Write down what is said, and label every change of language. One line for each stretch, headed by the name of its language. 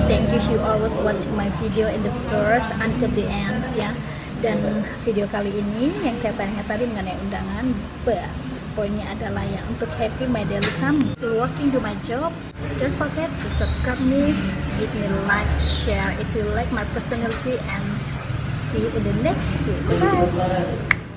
English: Thank you you always watching my video in the first until the end ya.
Indonesian: Dan video kali ini yang saya tanya tadi mengenai undangan, but poinnya adalah ya untuk
English: happy my daily time, still working to my job. Don't forget to subscribe me, give me like, share if you like my personality, and see you in the next video. Bye.